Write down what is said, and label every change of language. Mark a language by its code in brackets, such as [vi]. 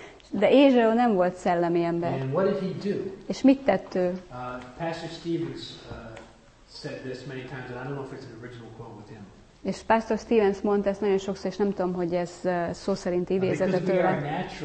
[hu] De Ézsaió nem volt szellemi ember. [en] And what did he do? [hu] És mit tett ő? [en] Pastor Stevens said this many times, and I don't know if it's an original quote with him. [hu] És Pastor Stevens mondta ezt nagyon sokszor, és nem tudom, hogy ez szó szerint idézett tőle.